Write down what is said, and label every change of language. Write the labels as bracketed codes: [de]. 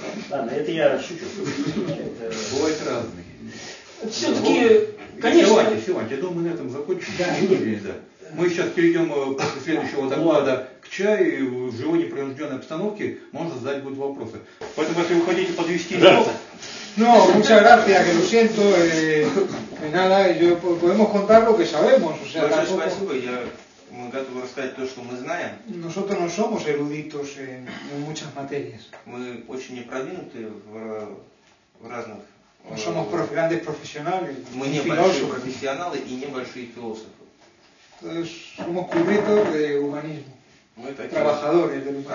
[ru] Ладно, это я расщучу. Бывают разные. Все-таки, конечно. Я думаю, мы на этом закончим. Мы сейчас перейдем после следующего доклада к чаю, и в живо непринужденной обстановке можно задать будут вопросы. Поэтому, если вы хотите подвести итог... [es] No, muchas gracias, que lo siento. Nada, podemos contar lo que sabemos. [ru] Большое спасибо, мы готовы рассказать то, что мы знаем. [es] Nosotros no somos eruditos en muchas materias. [ru] Мы очень непродвинуты в разных... [es] No somos grandes profesionales. [ru] Мы небольшие профессионалы и небольшие философы. [es] Somos cubritos de humanismo. Trabajadores del humanismo.